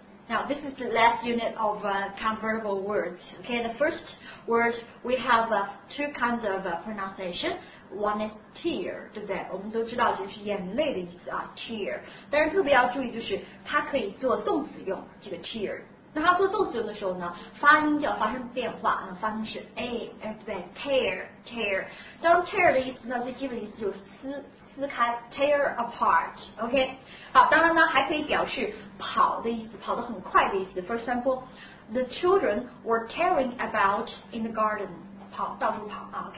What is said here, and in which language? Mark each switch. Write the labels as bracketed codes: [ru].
[en] Now, this is the last unit of convertible words. Okay, the first word, we have two kinds of pronunciation. One is tear, [zh] 对不对？我们都知道就是眼泪的意思啊 ，tear。但是特别要注意，就是它可以做动词用，这个 tear。那它做动词用的时候呢，发音就要发生变化，那发音是 a， 对不对 ？tear。当然 ，tear 的意思呢，最基本的意思就是撕开 ，tear apart。 OK， 好，当然呢，还可以表示跑的意思，跑得很快的意思。 [en] For example， the children were tearing about in the garden， [zh] 跑，到处跑啊。